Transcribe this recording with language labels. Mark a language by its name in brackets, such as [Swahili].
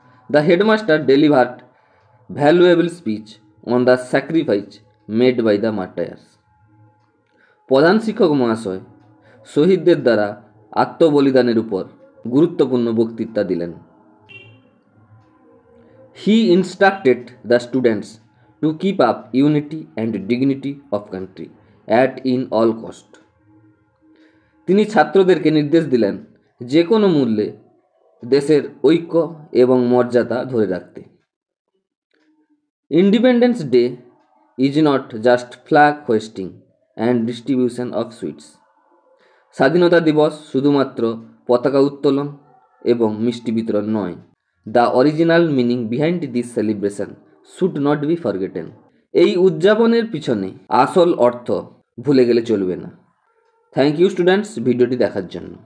[English] The headmaster delivered valuable speech on the sacrifice made by the martyrs. [Bangla] প্রধান শিক্ষক মহাশয় শহীদদের দ্বারা আত্মবলিদানের উপর গুরুত্বপূর্ণ বক্তৃতা দিলেন। [English] He instructed the students to keep up unity and dignity of country at in all cost. [Bangla] তিনি ছাত্রদেরকে নির্দেশ দিলেন যে কোনো মূল্যে দেশের ঐক্য এবং মর্যাদা ধরে রাখতে। [English] Independence Day is not just flag hoisting and distribution of sweets. [Bangla] স্বাধীনতা দিবস শুধুমাত্র পতাকা উত্তোলন এবং মিষ্টি বিতরণ নয়। [English] The original meaning behind this celebration should not be forgotten. [Bangla] এই উদযাপনের পিছনে আসল অর্থ ভুলে গেলে চলবে না। [English] thank you students [Bangla] ভিডিওটি দেখার জন্য।